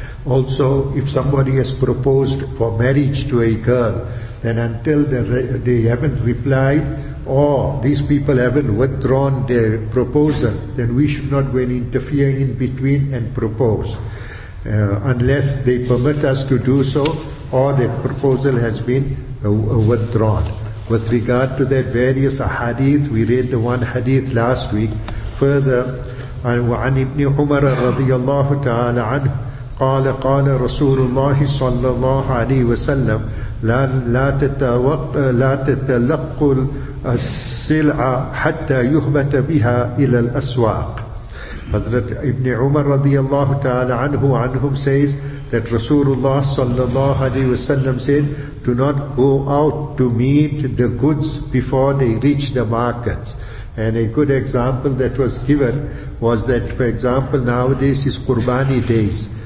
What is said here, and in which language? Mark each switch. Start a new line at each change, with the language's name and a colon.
English: Also, if somebody has proposed for marriage to a girl, then until they haven't replied, or these people haven't withdrawn their proposal, then we should not go and interfere in between and propose. Unless they permit us to do so, or their proposal has been withdrawn. With regard to that various hadith, we read the one hadith last week. Further,
Arabic: وعن ابن عمر رضي الله تعالى عنه قال قال رسول الله صلى الله عليه وسلم لا تتلقوا السلعة حتى يخبت بها إلى الأسواق.
English: Hazrat Ibn Umar radiyallahu ta'ala anhum says that Rasulullah sallallahu alayhi wasallam said, do not go out to meet the goods before they reach the markets. And a good example that was given was that, for example, nowadays is Qurbani days.